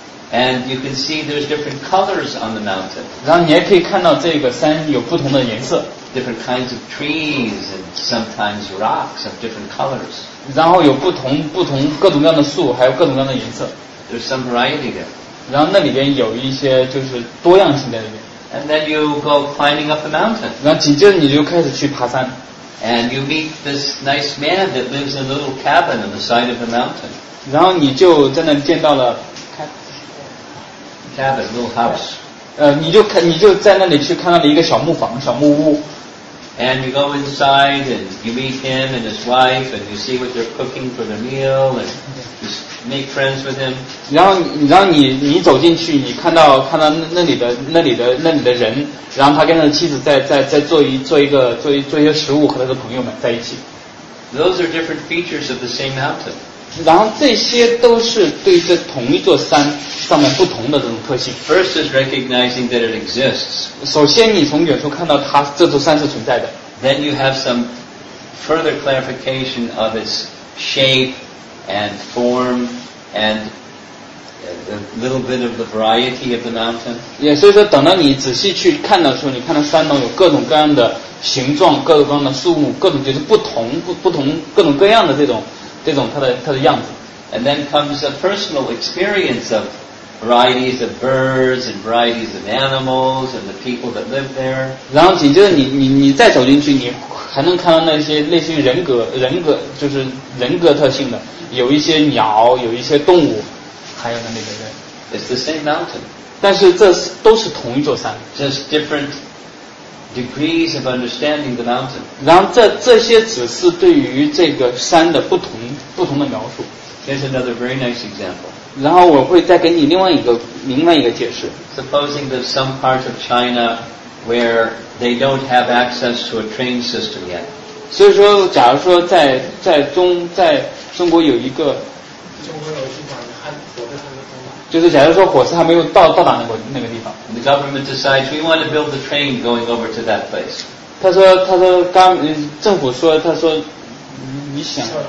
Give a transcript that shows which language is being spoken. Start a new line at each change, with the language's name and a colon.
English: And you can see there's different colors on the mountain.
Chinese: 然后你也可以看到这个山有不同的颜色。
English: Different kinds of trees and sometimes rocks of different colors.
Chinese: 然后有不同各种各样的树，还有各种各样的颜色。
English: There's some variety there.
Chinese: 然后那里边有一些就是多样性在里面。
English: And then you go climbing up the mountain.
Chinese: 然后紧接着你就开始去爬山。
English: And you meet this nice man that lives in a little cabin on the side of the mountain.
Chinese: 然后你就在那见到了
English: cabin, little house.
Chinese: 你就在那里去看到了一个小木房，小木屋。
English: And you go inside and you meet him and his wife and you see what they're cooking for the meal and just make friends with him.
Chinese: 然后你走进去，你看到那里的人，然后他跟他的妻子在做一些食物和他的朋友们在一起。
English: Those are different features of the same mountain.
Chinese: 然后这些都是对这同一座山上面不同的这种特性。
English: First is recognizing that it exists.
Chinese: 首先你从远处看到它这座山是存在的。
English: Then you have some further clarification of its shape and form and a little bit of the variety of the mountain.
Chinese: Yeah, 所以说等到你仔细去看的时候，你看到山呢有各种各样的形状，各种各样的树木，各种就是不同各种各样的这种它的样子。
English: And then comes a personal experience of varieties of birds and varieties of animals and the people that live there.
Chinese: 然后紧接着你再走进去，你还能看到那些类似于人格就是人格特性的，有一些鸟，有一些动物，还有那里的人。
English: It's the same mountain.
Chinese: 但是这都是同一座山。
English: Just different degrees of understanding the mountain.
Chinese: 然后这些只是对于这个山的不同的描述。
English: Here's another very nice example.
Chinese: 然后我会再给你另外一个解释。
English: Supposing that some part of China where they don't have access to a train system yet.
Chinese: 所以说，假如说在中国有一个，中国有一款火车还没通达，就是假如说火车还没有到达那个地方。
English: And、the government decides we want to build the train going over to that place.
Chinese: 他说刚政府说，他说你想。